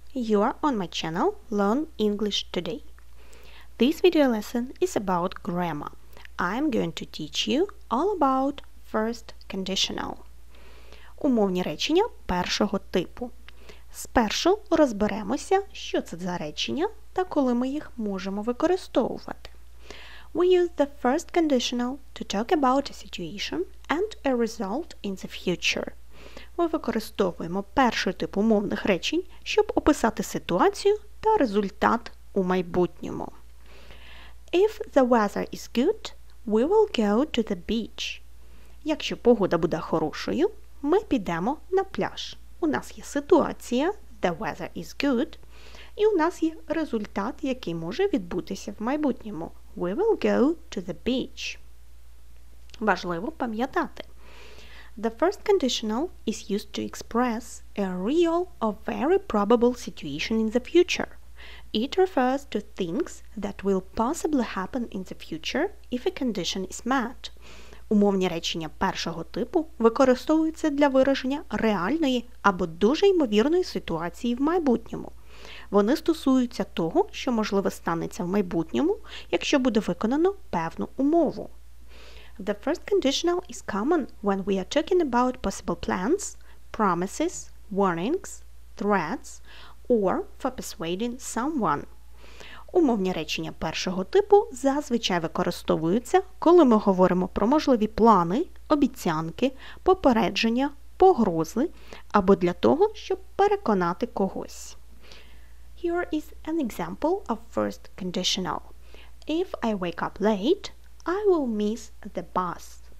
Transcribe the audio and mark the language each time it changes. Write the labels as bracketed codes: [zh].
[en] You are on my channel Learn English Today. This video lesson is about grammar. I am going to teach you all about first conditional. [uk] Умовні речення першого типу. Спершу розберемося, що це за речення та коли ми їх можемо використовувати. [en] We use the first conditional to talk about a situation and a result in the future. [uk] Ми використовуємо перший тип умовних речень, щоб описати ситуацію та результат у майбутньому. [en] If the weather is good, we will go to the beach. [uk] Якщо погода буде хорошою, ми підемо на пляж. У нас є ситуація [en] «the weather is good» [uk] і у нас є результат, який може відбутися в майбутньому. [en] We will go to the beach. [uk] Важливо пам'ятати. [en] The first conditional is used to express a real or very probable situation in the future. It refers to things that will possibly happen in the future if a condition is met. [uk] Умовні речення першого типу використовуються для вираження реальної або дуже ймовірної ситуації в майбутньому. Вони стосуються того, що можливо станеться в майбутньому, якщо буде виконано певну умову. [en] The first conditional is common when we are talking about possible plans, promises, warnings, threats, or for persuading someone. [uk] Умовні речення першого типу зазвичай використовуються, коли ми говоримо про можливі плани, обіцянки, попередження, погрози або для того, щоб переконати когось. [en] Here is an example of first conditional. If I wake up late, I will miss the bus.